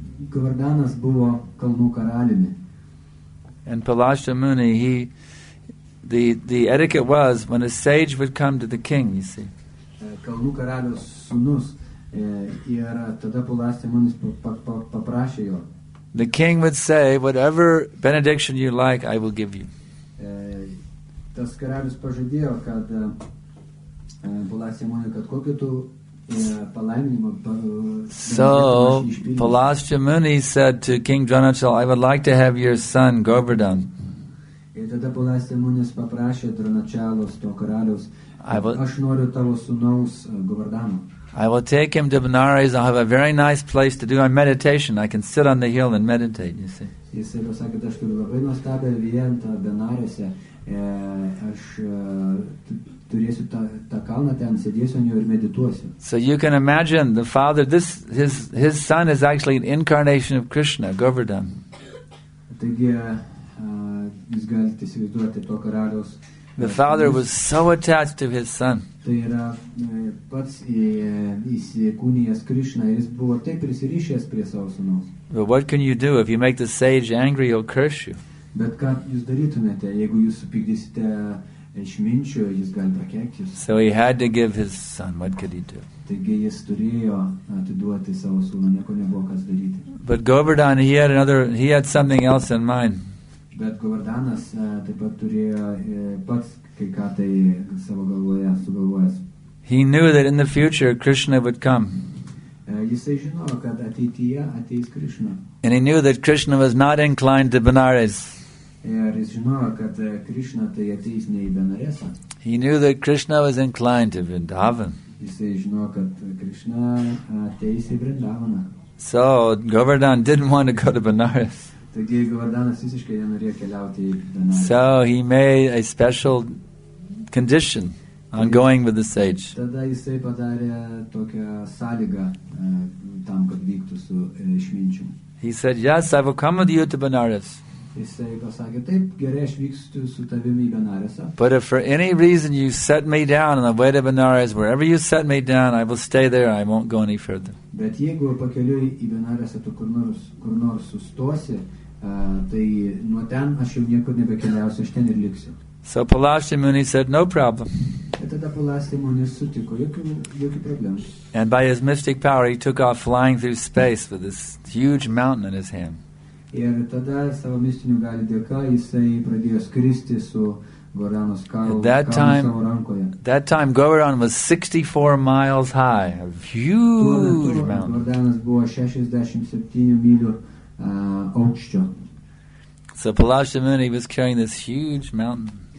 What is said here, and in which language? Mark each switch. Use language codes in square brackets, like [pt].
[lt] Govardhanas buvo kalnų karaliumi. [en] And Palastya Muni, the etiquette was when a sage would come to the king, you see. [lt] Kalnų karalius sūnus ir tada Palastya Munis paprašė jo. [en] The king would say, whatever benediction you like, I will give you. [lt] Tas karalius pažadėjo, kad Palastya Muni, kad kokiu tu palaiminimu. [en] So, Palastya Muni said to King Dronachal, I would like to have your son, Govardhan. [lt] Ir tada Palastya Munis paprašė Dronachalos, to karalius, aš noriu tavo sūnaus Govardhano. [en] I will take him to Benares. I have a very nice place to do my meditation. I can sit on the hill and meditate, you see. [lt] Jis yra sakė, aš turiu labai nuostabę vietą Benarėse. Aš turėsiu tą kalną ten, sėdėsiu ant jo ir medituosiu. [en] So you can imagine the father, his son is actually an incarnation of Krishna, Govardhan. [lt] Taigi, jūs galite įsivaizduoti to karaliaus. [en] The father was so attached to his son. [lt] Tai yra pats įsikūnijęs Krishna, jis buvo taip prisirišęs prie savo sūnaus. [en] But what can you do if you make the sage angry, he'll curse you. [lt] Bet ką jūs darytumėte, jeigu jūs supykdysite išminčių, jis gali prakeikti jus. [en] So he had to give his son, what could he do? [lt] Taigi jis turėjo atiduoti savo sūnų, nieko nebuvo kas daryti. [en] But Govardhan, he had something else in mind. [lt] Bet Govardhanas taip pat turėjo pats kai ką tai savo galvoje sugalvojęs. [en] He knew that in the future Krishna would come. [lt] Jisai žinojo, kad ateityje ateis Krishna. [en] And he knew that Krishna was not inclined to Benares. [lt] Ir jis žinojo, kad Krishna tai ateis ne į Benaresą. [en] He knew that Krishna was inclined to Vrindavan. [lt] Jisai žinojo, kad Krishna ateis į Vrindavaną. [en] So Govardhan didn't want to go to Benares. So he made a special condition on going with the sage. [lt] Tada jisai padarė tokią sąlygą tam, kad vyktų su išminčiu. [en] He said, yes, I will come with you to Benares. [lt] Jisai pasakė, taip, gerai, aš vykstu su tavimi į Benaresą. [en] But if for any reason you set me down on the way to Benares, wherever you set me down, I will stay there, I won't go any further. [lt] Bet jeigu pakeliui į Benaresą tu kur nors sustosi, tai nuo ten aš jau niekur nebekeliausiu, aš ten ir liksiu. [en] So Palastya Muni said, no problem. [lt] Ir tada Palastya Muni sutiko, jokių problemų. [en] And by his mystic power, he took off flying through space with this huge mountain in his hand. [lt] Ir tada savo mistinių galių dėka jisai pradėjo skristi su [en] At that time, Govardhan was 64 miles high, a huge mountain. So Palashtra Muni was carrying this huge mountain.